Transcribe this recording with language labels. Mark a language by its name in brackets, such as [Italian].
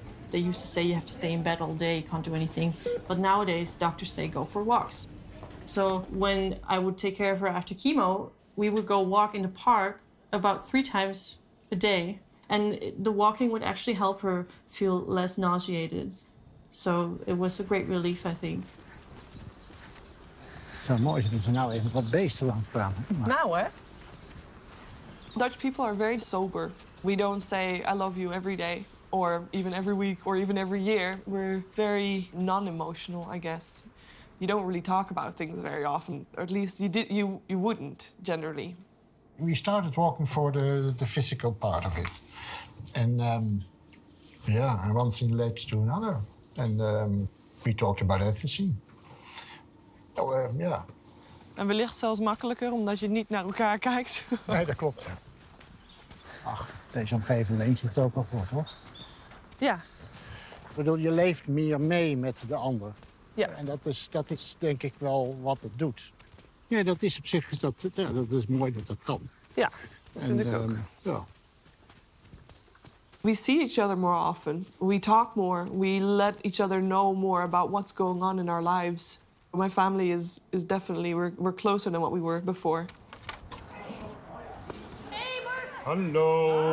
[English] They used to say you have to stay in bed all day, you can't do anything. But nowadays, doctors say go for walks. So when I would take care of her after chemo, we would go walk in the park about 3 times a day. And the walking would actually help her feel less nauseated. So it was a great relief, I think. [Dutch] Zo mooi is het om ze nou even wat beesten langs te praten. Nou, hè? [English] Dutch people are very sober. We don't say I love you every day, or even every week, or even every year. We're very non-emotional, I guess. You don't really talk about things very often. Or at least you did. You wouldn't generally. We started walking for the physical part of it, and one thing led to another. And we talked about everything. [Dutch] En wellicht zelfs makkelijker, omdat je niet naar elkaar kijkt. Nee, dat klopt. Ach, deze omgeving leent zich ook wel voor, toch? Ja. Ik bedoel, je leeft meer mee met de ander. Ja. En dat is denk ik wel wat het doet. Ja, dat is op zich, dat is mooi dat dat kan. Ja, vind ik ook. Ja. [English] We see each other more often. We talk more. We let each other know more about what's going on in our lives. My family is definitely, we're closer than what we were before. Hey, Mark. [Dutch] Hallo.